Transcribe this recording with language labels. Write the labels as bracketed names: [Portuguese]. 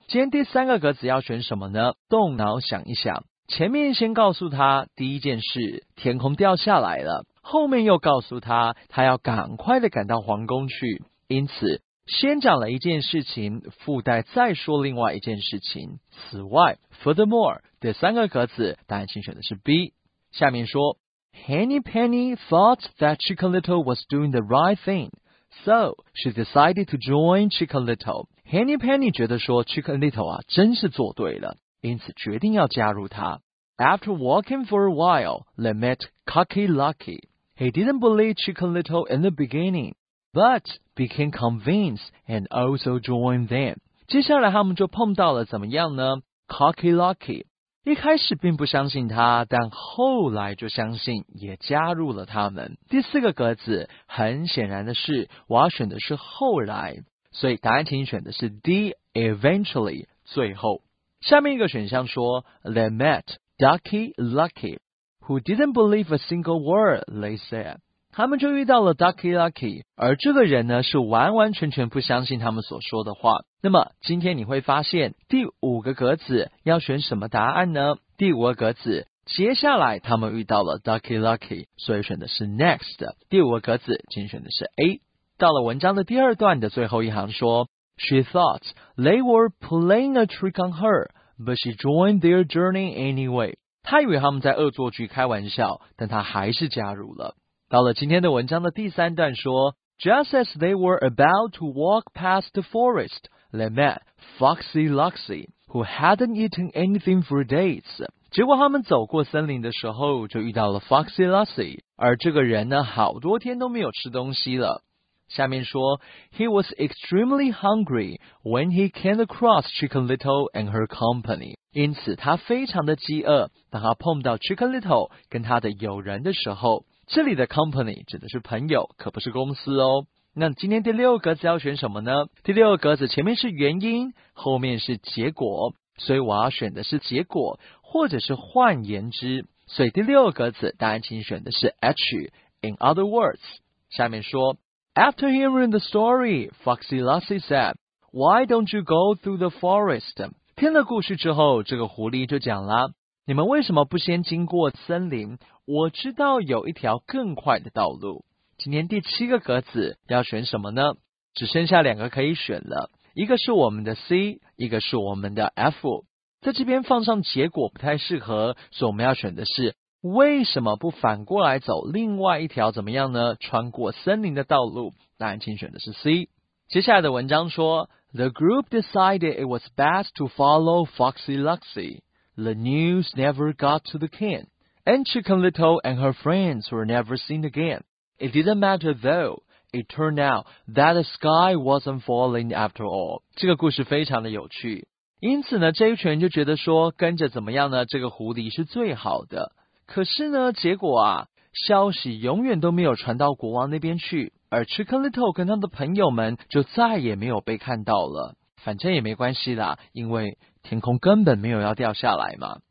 [Chinese] 今天第三个格子要选什么呢？动脑想一想，前面先告诉他第一件事天空掉下来了，后面又告诉他他要赶快的赶到皇宫去，因此先讲了一件事情，附带再说另外一件事情。此外 ，furthermore 这三个格子，答案请选的是 B。下面说 [English] ，Henny Penny thought that Chicken Little was doing the right thing, so she decided to join Chicken Little. [Chinese] Henny Penny 觉得说 Chicken Little 啊真是做对了，因此决定要加入他。 [English] After walking for a while, they met Cocky Lucky. He didn't believe Chicken Little in the beginning. But became convinced and also joined them. [Chinese] 接下来他们就碰到了怎么样呢？Cocky Lucky 一开始并不相信他，但后来就相信，也加入了他们。第四个格子，很显然的是，我要选的是后来，所以答案请选的是 D. Eventually 最后。下面一个选项说 [English] ，They met Ducky Lucky, who didn't believe a single word they said. [Chinese] 他们就遇到了 Ducky Lucky, 而这个人呢是完完全全不相信他们所说的话。那么今天你会发现第五个格子要选什么答案呢？第五个格子接下来他们遇到了 Ducky Lucky, 所以选的是 next。第五个格子请选的是 A。到了文章的第二段的最后一行说 [English] She thought they were playing a trick on her, but she joined their journey anyway. [Chinese] 她以为他们在恶作剧开玩笑，但她还是加入了。到了今天的文章的第三段说 [English] Just as they were about to walk past the forest, they met Foxy Loxy, who hadn't eaten anything for days. [Chinese] 结果他们走过森林的时候就遇到了 Foxy Loxy, 而这个人呢好多天都没有吃东西了。下面说 [English] ,He was extremely hungry when he came across Chicken Little and her company. [Chinese] 因此他非常的饥饿当他碰到 Chicken Little 跟他的友人的时候。这里的 company 指的是朋友可不是公司哦。那今天第六格子要选什么呢？第六格子前面是原因，后面是结果，所以我要选的是结果，或者是换言之。所以第六格子答案请选的是 H, in other words。下面说 [English] ,After hearing the story, Foxy Lassie said, Why don't you go through the forest? [Chinese] 听了故事之后，这个狐狸就讲了，你们为什么不先经过森林？我知道有一条更快的道路。今天第七个格子要选什么呢？只剩下两个可以选了，一个是我们的 C, 一个是我们的 F。在这边放上结果不太适合，所以我们要选的是为什么不反过来走另外一条怎么样呢？穿过森林的道路，答案请选的是 C。接下来的文章说 [English] ,The group decided it was best to follow Foxy Luxie. The news never got to the king, and Chicken Little and her friends were never seen again. It didn't matter though, it turned out that the sky wasn't falling after all. [Chinese] 这个故事非常的有趣。因此呢，这一群人就觉得说，跟着怎么样呢？这个狐狸是最好的。可是呢，结果啊，消息永远都没有传到国王那边去，而 Chicken Little 跟他的朋友们就再也没有被看到了。反正也没关系啦，因为天空根本没有要掉下来嘛。